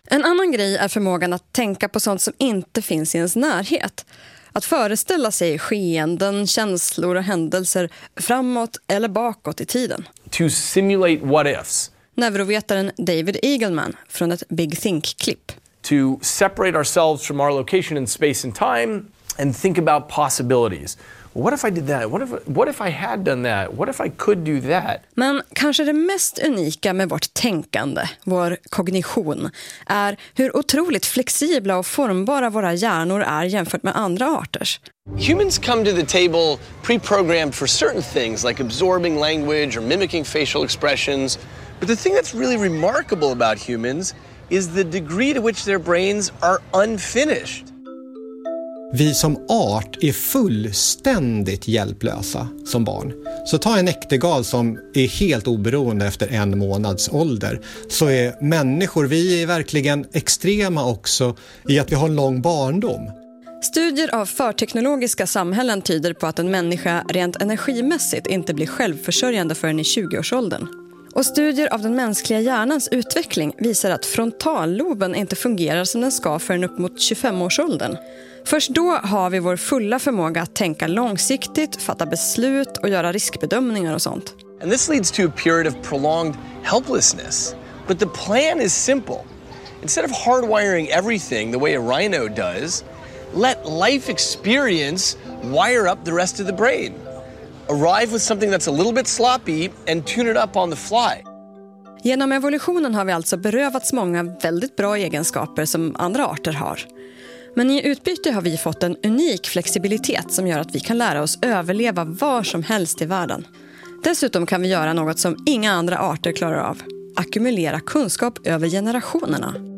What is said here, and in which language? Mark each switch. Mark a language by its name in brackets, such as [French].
[Swedish] En annan grej är förmågan att tänka på sånt som inte finns i ens närhet. Att föreställa sig skeenden, känslor och händelser framåt eller bakåt i tiden. [English] To simulate what ifs. [Swedish] Neurovetaren David Eagleman från ett Big Think-klipp. [English] To separate ourselves from our location in space and time and think about possibilities. What if I did that? What if I had done that? What if I could do that? [Swedish] Men kanske det mest unika med vårt tänkande, vår kognition, är hur otroligt flexibla och formbara våra hjärnor är jämfört med andra arters. [English] Humans come to the table pre-programmed for certain things like absorbing language or mimicking facial expressions. But the thing that's really remarkable about humans is the degree to which their brains are unfinished. [Swedish] Vi som art är fullständigt hjälplösa som barn. Så ta en äktergal som är helt oberoende efter en månads ålder. Så är människor, vi är verkligen extrema också i att vi har en lång barndom. Studier av förteknologiska samhällen tyder på att en människa rent energimässigt inte blir självförsörjande förrän i 20-årsåldern. Och studier av den mänskliga hjärnans utveckling visar att frontalloben inte fungerar som den ska förrän upp mot 25-årsåldern. Först då har vi vår fulla förmåga att tänka långsiktigt, fatta beslut och göra riskbedömningar och sånt. [English] And this leads to a period of prolonged helplessness. But the plan is simple. Instead of hardwiring everything the way a rhino does, let life experience wire up the rest of the brain. Arrive with something that's a little bit sloppy and tune it up on the fly. [Swedish] Genom evolutionen har vi alltså berövats många väldigt bra egenskaper som andra arter har. Men i utbyte har vi fått en unik flexibilitet som gör att vi kan lära oss överleva var som helst i världen. Dessutom kan vi göra något som inga andra arter klarar av. Ackumulera kunskap över generationerna.